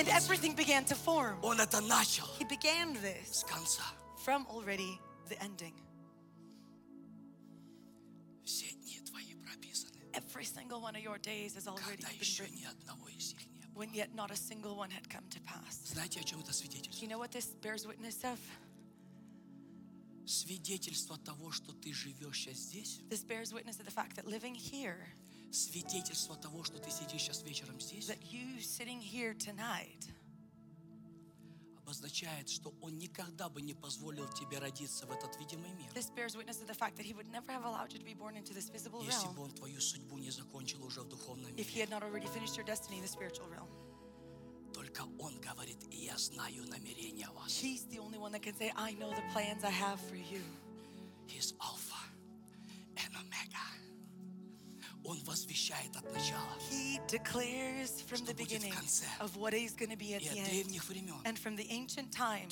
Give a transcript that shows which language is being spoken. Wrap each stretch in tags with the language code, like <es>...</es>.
<en>And everything began to form.</en> <ru>Он это начал.</ru> <en>He began this.</en> <ru>С конца.</ru> <en>From already the ending.</en> <ru>Все дни твои прописаны.</ru> <en>Every single one of your days is already</en> <ru>Когда еще ни одного из них не было.</ru> <en>When yet not a single one had come to pass.</en> <ru>Знаете, о чем это свидетельствует?</ru> <en>You know what this bears witness of?</en> <ru>Свидетельство того, что ты живешь сейчас здесь.</ru> <en>This bears witness of the fact that living here.</en> <ru>Свидетельство того, что ты сидишь сейчас вечером здесь.</ru> <en>That you sitting here tonight.</en> <ru>Обозначает, что он никогда бы не позволил тебе родиться в этот видимый мир.</ru> <en>This bears witness of the fact that he would never have allowed you to be born into this visible realm.</en> <ru>Если бы он твою судьбу не закончил уже в духовном мире.</ru> <en>If he had not already finished your destiny in the spiritual realm.</en> <ru>Только Он говорит, и я знаю намерения вас.</ru> <en>He's the only one that can say, I know the plans I have for you. He's Alpha and Omega.</en> <ru>Он возвещает от начала.</ru> <en>He declares from the beginning of what is going to be at the end.</en> <ru>И от древних времен.</ru> <en>And from the ancient times.</en>